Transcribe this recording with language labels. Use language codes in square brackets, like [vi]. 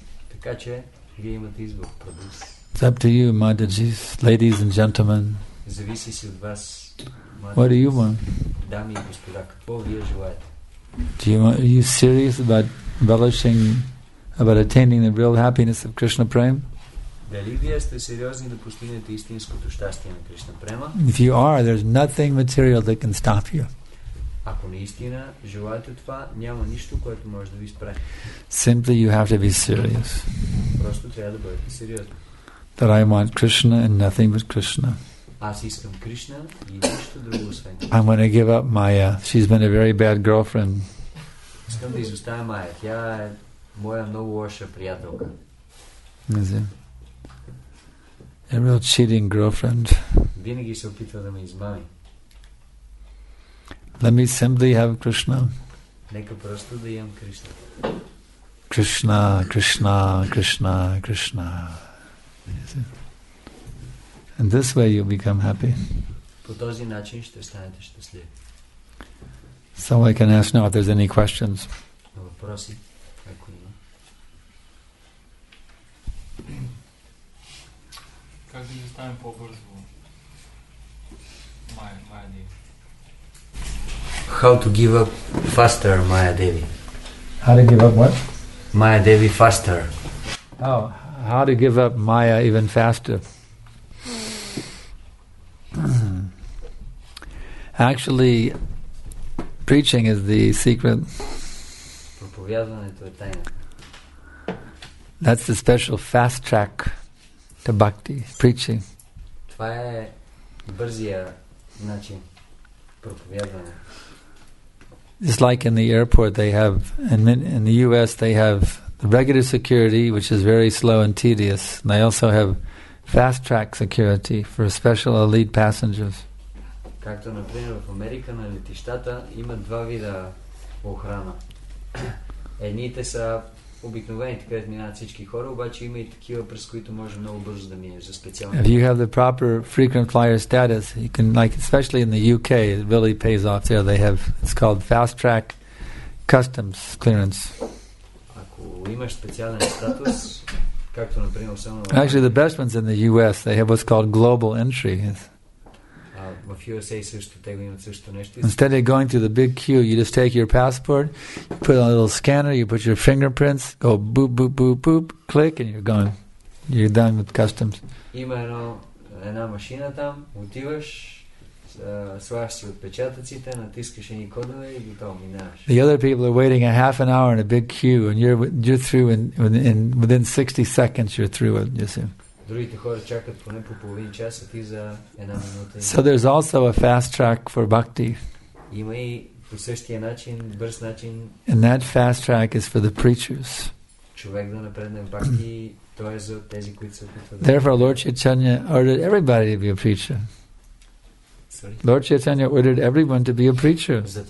[en] It's up to you, Matajis, ladies and gentlemen. What do you want? Are you serious about relishing, about attaining the real happiness of Krishna Prema? [bg] Дали вие сте сериозни да постигнете истинското щастие на Кришна Према? [en] If you are, there's nothing material that can stop you. [bg] Ако наистина желаете това, няма нищо, което може да ви спре. [en] Simply you have to be serious. [bg] Просто трябва да бъдете сериозни. [en] That I want Krishna and nothing but Krishna. [bg] Аз искам Кришна и нищо друго освен. [en] I'm going to give up Maya. She's been a very bad girlfriend. [bg] Искам да изоставя Майя. Тя е моя много лоша приятелка. Не. [en] A real cheating girlfriend. [bg] Винаги се опитва да ме измами. [en] Let me simply have Krishna. [bg] Нека просто да имам Кришна. [en] Krishna, Krishna, Krishna, Krishna. And this way you'll become happy. [bg] По този начин ще станете щастлив. [en] So I can ask now if there's any questions. [bg] Въпроси, ако има. Как да изоставим по-бързо Майя Деви? [en] How to give up faster, Майя Деви? How to give up what? Майя Деви faster. Oh, how to give up Майя even faster. Actually, preaching is the secret. [bg] Проповядването е тайна. [en] That's the special fast track. The bhakti, preaching. [bg] Това е бързия начин проповядване. [en] It's like in the airport they have, and in the US they have the regular security, which is very slow and tedious, and they also have fast track security for special elite passengers. [bg] Както например в Америка на летищата има два вида охрана. Едните са обикновените, където минават всички хора, обаче има и такива, през които може много бързо да мине за специални. [en] If you have the proper frequent flyer status, you can, like, especially in the UK, it really pays off there. They have, it's called fast track customs clearance. [bg] Ако имаш специален статус, както например само. [en] Actually, the best ones in the US, they have what's called global entry. Instead of going through the big queue, you just take your passport, you put on a little scanner, you put your fingerprints, go boop, boop, boop, boop, click, and you're gone. You're done with customs. [bg] Една машина там, отиваш, слагаш си отпечатъците, натискаш едни кодове и готово минаваш. [en] The other people are waiting a half an hour in a big queue and you're through in within 60 seconds you're through it, you see. [bg] Другите хора чакат поне по половин час, а ти за една минута. [en] So there's also a fast track for bhakti. [bg] Има и по същия начин, бърз начин. [en] And that fast track is for the preachers. [bg] Човек да напредне в бхакти. [en] Therefore, Lord Chaitanya ordered everybody to be a preacher. Sorry. Lord Chaitanya ordered everyone to be a preacher.